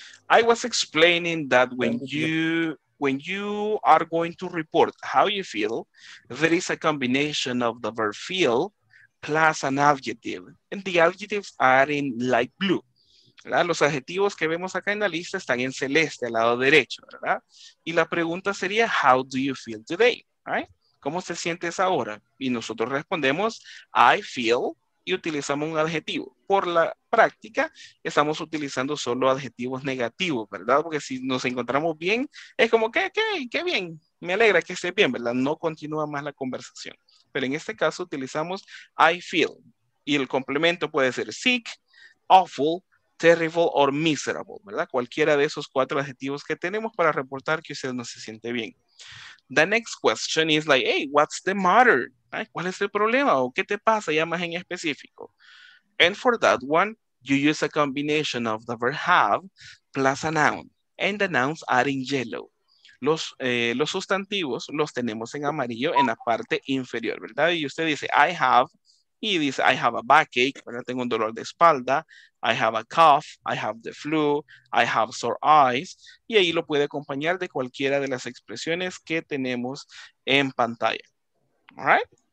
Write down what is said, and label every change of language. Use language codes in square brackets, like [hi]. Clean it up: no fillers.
[en] I was explaining that when you are going to report how you feel, there is a combination of the verb feel plus an adjective. And the adjectives are in light blue. [es] ¿Verdad? Los adjetivos que vemos acá en la lista están en celeste, al lado derecho, ¿verdad? Y la pregunta sería, [en] how do you feel today? ¿Right? [es] ¿Cómo te sientes ahora? Y nosotros respondemos, I feel, y utilizamos un adjetivo. Por la práctica, estamos utilizando solo adjetivos negativos, ¿verdad? Porque si nos encontramos bien, es como, ¿qué bien? me alegra que esté bien, ¿verdad? No continúa más la conversación. Pero en este caso utilizamos I feel. Y el complemento puede ser [en] sick, awful, terrible or miserable, [es] ¿verdad? Cualquiera de esos cuatro adjetivos que tenemos para reportar que usted no se siente bien. [en] The next question is like, hey, what's the matter? [es] ¿Ay? ¿Cuál es el problema? ¿O qué te pasa ya más en específico? [en] And for that one, you use a combination of the verb have plus a noun. And the nouns are in yellow. [es] Los sustantivos los tenemos en amarillo en la parte inferior, ¿verdad? Y usted dice, I have, y dice, [en] I have a backache, [es] ¿verdad? Tengo un dolor de espalda, [en] I have a cough, I have the flu, I have sore eyes, [es] y ahí lo puede acompañar de cualquiera de las expresiones que tenemos en pantalla. [en] All right?